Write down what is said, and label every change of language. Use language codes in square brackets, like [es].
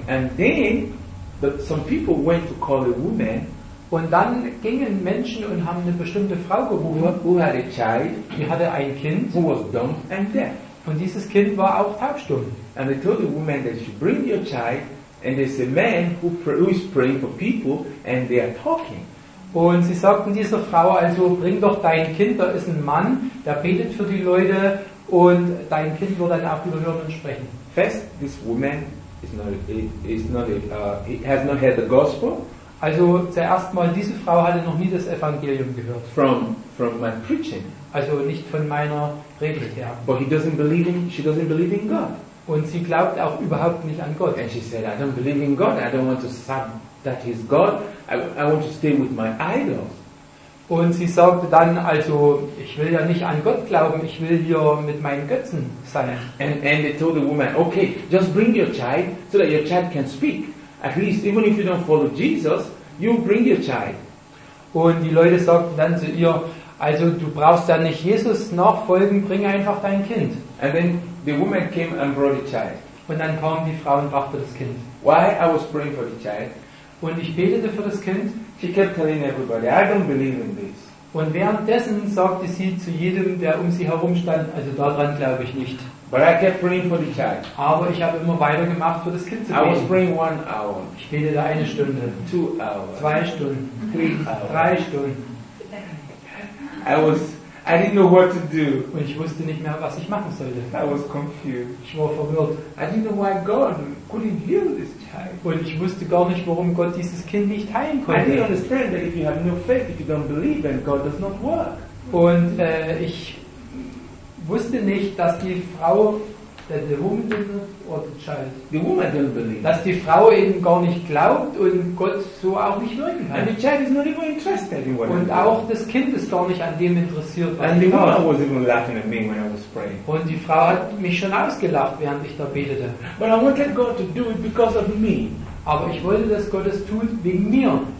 [en] And then, some people went to call a woman. [de] Und dann gingen Menschen und haben eine bestimmte Frau gerufen. [en] Who had a child. [de] Die hatte ein Kind. [en] Who was dumb and deaf. [de] Und dieses Kind war auch taubstumm. [en] And they told the woman that she bring your child. And there's a man who is praying for people and they are talking. [de] Und sie sagten dieser Frau also, bring doch dein Kind, da ist ein Mann, der betet für die Leute und dein Kind wird dann auch überhören und sprechen. [en] First, this woman has not heard the gospel. [de] Also zuerst mal, diese Frau hatte noch nie das Evangelium gehört. [en] From my preaching. [de] Also nicht von meiner Predigt her. [en] But she doesn't believe in God. [de] Und sie glaubt auch überhaupt nicht an Gott. [en] And she said, I don't believe in God, I don't want to serve that he's God. I want to stay with my idols. [de] Und sie sagte dann also, ich will ja nicht an Gott glauben, ich will hier mit meinen Götzen sein. [en] And they told the woman, okay, just bring your child, so that your child can speak. At least, even if you don't follow Jesus, you bring your child. [de] Und die Leute sagten dann zu ihr, also du brauchst ja nicht Jesus nachfolgen, bring einfach dein Kind. [en] And then the woman came and brought the child. [de] Und dann kam die Frau und brachte das Kind. [en] Why I was praying for the child? [de] Und ich betete für das Kind. [en] She kept telling everybody, I don't believe in this. [de] Und währenddessen sagte sie zu jedem, der um sie herum stand, also daran glaube ich nicht. [en] But I kept praying for the child. [de] Aber ich habe immer weiter gemacht für das Kind zu beten. [en] I was praying 1 hour. [de] Ich betete eine Stunde. [en] 2 hours. [de] 2 Stunden. [en] 3 hours. [de] 3 Stunden. [en] I didn't know what to do. [de] Und ich wusste nicht mehr, was ich machen sollte. [en] I was confused. [de] Ich war verwirrt. [en] I didn't know why God couldn't heal this child. [de] Und ich wusste gar nicht, warum Gott dieses Kind nicht heilen konnte. [en] I didn't understand that if you have no faith, if you don't believe, then God does not work. [de] Und ich wusste nicht, dass die Frau, [en] the woman didn't, or the child, the woman didn't believe. [de] Dass die Frau eben gar nicht glaubt und Gott so auch nicht wirken kann. [en] And the child is not even interested in what. [de] Und auch das Kind ist gar nicht an dem interessiert, was. [en] And the woman was even laughing at me when I was praying. [de] Und die Frau hat mich schon ausgelacht, während ich da betete. [en] But I wanted God to do it because of me. [de] Aber ich wollte, dass Gott es tut wegen mir.